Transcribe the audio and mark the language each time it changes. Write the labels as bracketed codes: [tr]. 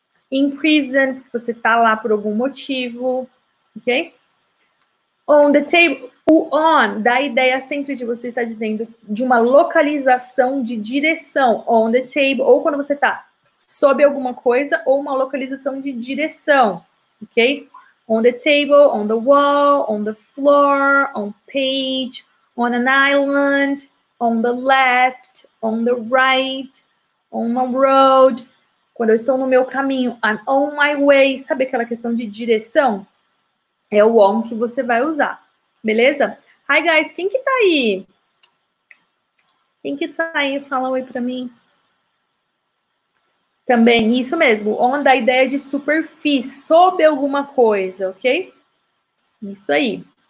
[pt] In prison, você está lá por algum motivo, ok? On the table, o on dá a ideia sempre de você estar dizendo de uma localização de direção, on the table, ou quando você está sob alguma coisa, ou uma localização de direção, ok? [en] On the table, on the wall, on the floor, on page, on an island, on the left, on the right, on the road. [pt] Quando eu estou no meu caminho, I'm on my way. Sabe aquela questão de direção? É o on que você vai usar. Beleza? Hi, guys. Quem que tá aí? Quem que tá aí? Fala oi pra mim. Também, isso mesmo. On da ideia de superfície, sob alguma coisa, ok? Isso aí.